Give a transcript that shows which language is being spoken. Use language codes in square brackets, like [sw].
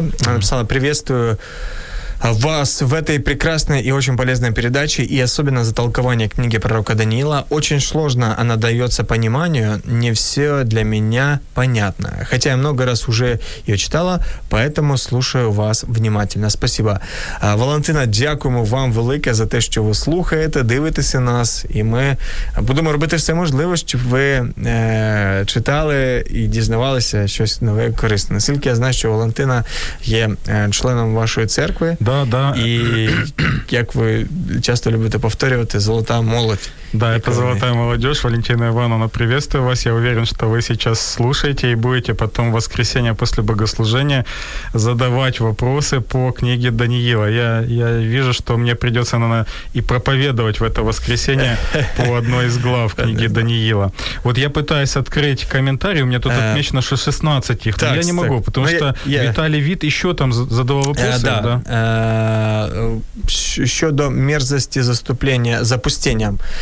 [uk] Вона написала: [ru] «Приветствую вас в этой прекрасной и очень полезной передаче, и особенно за толкование книги пророка Даниила. Очень сложно она дается пониманию, не все для меня понятно. Хотя я много раз уже ее читала, поэтому слушаю вас внимательно». Спасибо. [uk] Валентина, дякуємо вам велике за те, що ви слухаєте, дивитеся нас, і ми будемо робити все можливе, щоб ви читали і дізнавалися щось нове і корисне. Наскільки я знаю, що Валентина є членом вашої церкви. [ru] Да, да. И как вы часто любите повторять, золотая молодь. Да, это золотая молодежь. Валентина Ивановна, приветствую вас. Я уверен, что вы сейчас слушаете и будете потом в воскресенье после богослужения задавать вопросы по книге Даниила. Я вижу, что мне придется, наверное, и проповедовать в это воскресенье по одной из глав книги Даниила. Вот я пытаюсь открыть комментарии. У меня тут отмечено, что 16 их, но я не могу, потому что Виталий Вит еще там задавал вопросы. Да, да. [uk] Щодо мерзості заступлення, запустення.